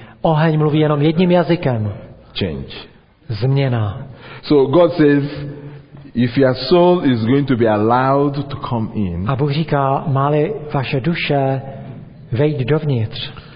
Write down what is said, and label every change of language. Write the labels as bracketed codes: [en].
[cs] Oheň mluví jenom jedním jazykem. [en] Change. [cs] Změna. [en] So God says, if your soul is going to be allowed to come in. [cs] A Bůh říká, má-li vaše duše vejít dovnitř.